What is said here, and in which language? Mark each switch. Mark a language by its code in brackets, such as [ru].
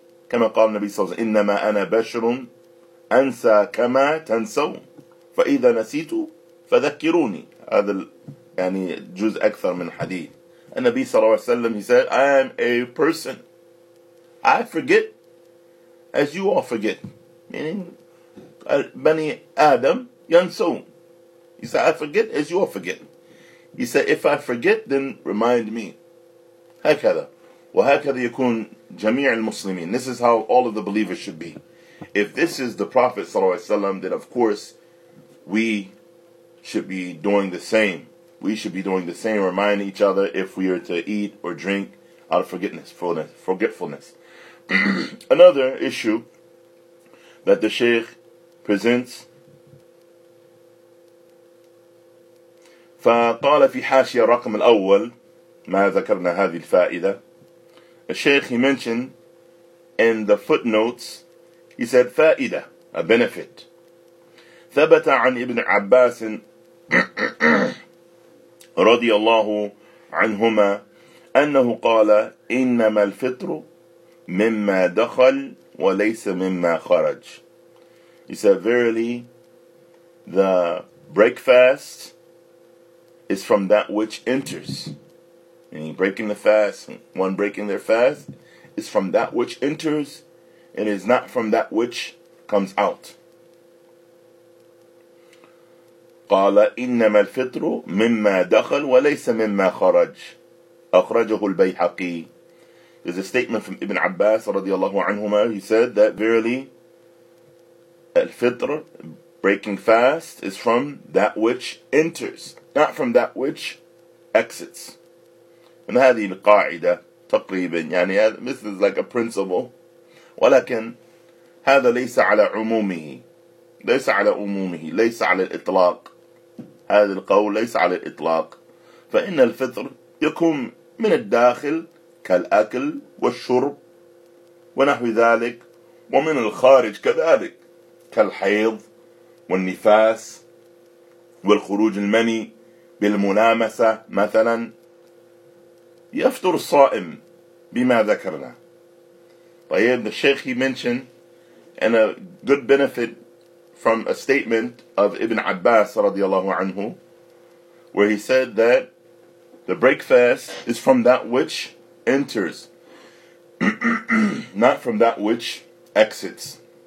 [ar] كما قال النبي صلى الله عليه وسلم إنما أنا بشر أنسى كما تنسوا فإذا نسيت فذكروني. هذا يعني جزء أكثر من حديث. النبي صلى الله عليه وسلم, [en] he said, I am a person, I forget as you all forget. Meaning, [ar] بني آدم ينسون. [en] He said, I forget as you all forget. He said, if I forget, then remind me. [ar] هكذا. وهكذا يكون جميع المسلمين. [en] This is how all of the believers should be. If this is the Prophet sallallahu alaihi wasallam, then of course, we should be doing the same. We should be doing the same, reminding each other if we are to eat or drink out of forgetfulness. Another issue that the Shaykh presents, [ar] فقال في حاشية رقم الأول ما ذكرنا هذه الفائدة. [en] الشيخ, he mentioned in the footnotes, he said فائدة, a benefit. [ar] ثبت عن ابن عباس رضي الله عنهما أنه قال إنما الفطر مما دخل وليس مما خرج. [en] He said, verily, the breakfast is from that which enters. Meaning breaking the fast, one breaking their fast, is from that which enters and is not from that which comes out. [ar] قال إنما الفطر مما دخل وليس مما خرج أخرجه البيحقي. [en] There's a statement from Ibn Abbas [ar] رضي الله عنهما. [en] He said that verily, الفطر, breaking fast, is from that which enters, not from that which exits. And [ar] هذه القاعدة تقريبا, يعني [en] this is like a principle. [ar] ولكن هذا ليس على عمومه, ليس على عمومه, ليس على الإطلاق. هذا القول ليس على الإطلاق. فإن الفطر يكون من الداخل كالأكل والشرب ونحو ذلك, ومن الخارج كذلك كالحيض والنفاس والخروج المني بالملامسة مثلا. يفطر الصائم بما ذكرنا. طيب, [en] the Sheikh, he mentioned, and a good benefit from a statement of Ibn Abbas [ar] رضي الله عنه, [en] where he said that the breakfast is from that which enters, not from that which exits.